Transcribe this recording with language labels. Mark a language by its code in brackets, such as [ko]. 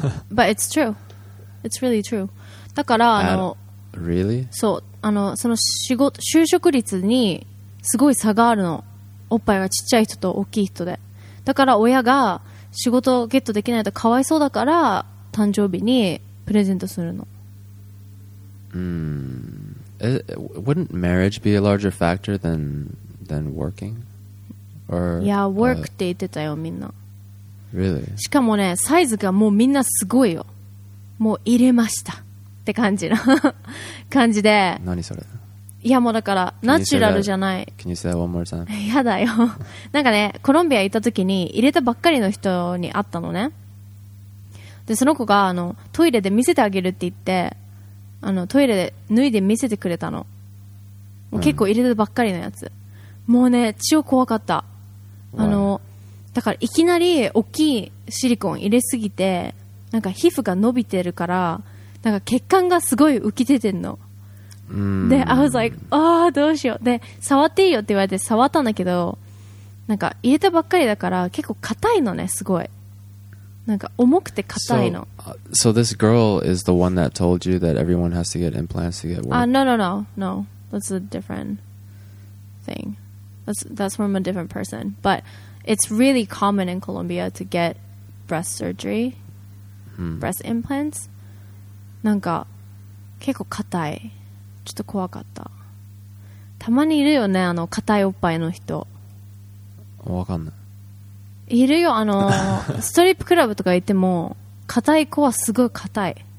[en] But it's true. It's really true. [ja] だからあの、 [en] really? [ja] そう、あのその仕事、就職率にすごい差があるの、おっぱいがちっちゃい人と大きい人で。だから親が仕事をゲットできないとかわいそうだから誕生日にプレゼントするの。 [en] Wouldn't marriage be a larger factor than working? Or, [ja] yeah, work って言ってたよみんな。 [en] Really? [ja] しかもね、サイズがもうみんなすごいよ。もう入れましたって感じの感じで。何それ？いやもうだからナチュラルじゃない。 [en] Can you say that one more time? [ja] やだよなんかね、コロンビア行った時に入れたばっかりの人に会ったのね。でその子があのトイレで見せてあげるって言って、あのトイレで脱いで見せてくれたの。もう結構入れたばっかりのやつ、もうね超怖かった。あのだからいきなり大きいシリコン入れすぎて、なんか皮膚が伸びてるからなんか血管がすごい浮き出てんので、 [en] I was like、 [ja] ああどうしよう。で触っていいよって言われて触ったんだけど、なんか入れたばっかりだから結構硬いのね、すごい、なんか重くて硬いの。 [en] So this girl is the one that told you that everyone has to get implants to get work? No, that's a different thing. That's from a different person. But it's really common in Colombia to get breast surgery、hmm. breast implants. [ja] なんか結構硬い、ちょっと怖かった。たまにいるよね、あの硬いおっぱいの人。わかんない。いるよ、あのストリップクラブとか行っても硬い子はすごい硬い。